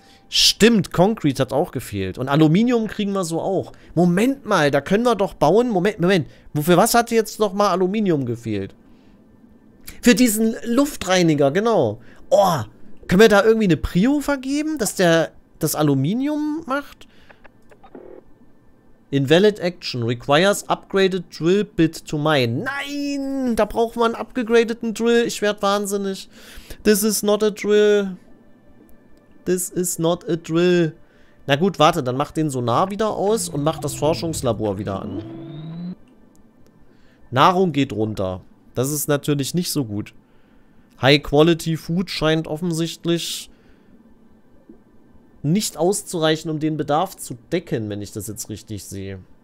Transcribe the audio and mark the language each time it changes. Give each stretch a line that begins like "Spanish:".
German: Stimmt, Concrete hat auch gefehlt. Und Aluminium kriegen wir so auch. Moment mal, da können wir doch bauen. Moment, Moment. Wofür was hat jetzt nochmal Aluminium gefehlt? Für diesen Luftreiniger, genau. Oh, können wir da irgendwie eine Prio vergeben, dass der das Aluminium macht?
English: Invalid Action. Requires upgraded drill bit to mine.
German: Nein, da braucht man einen upgegradeten Drill. Ich werde wahnsinnig.
English: This is not a drill. This is not a drill.
German: Na gut, warte, dann mach den Sonar wieder aus und mach das Forschungslabor wieder an. Nahrung geht runter. Das ist natürlich nicht so gut. High Quality Food scheint offensichtlich nicht auszureichen, um den Bedarf zu decken, wenn ich das jetzt richtig sehe.